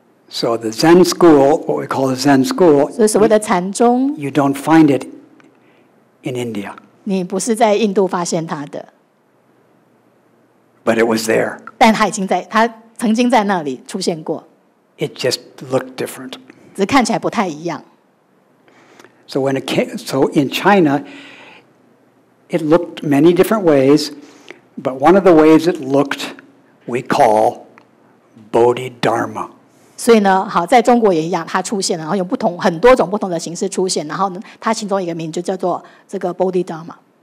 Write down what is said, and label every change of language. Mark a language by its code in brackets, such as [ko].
[en] So the Zen school, what we call the Zen school, [zh] 所以所谓的禅宗 [en] ，you don't find it in India. [zh] 你不是在印度发现它的 [en] ，but it was there. [zh] 但它已经在，它曾经在那里出现过。 [en] It just looked different. [zh] 只看起来不太一样。 [en] So when it came, so in China, it looked many different ways, but one of the ways it looked, we call Bodhidharma. [zh] 所以呢，好，在中国也一样，它出现了，然后用不同很多种不同的形式出现，然后呢，它其中一个名就叫做这个 Bodhidharma.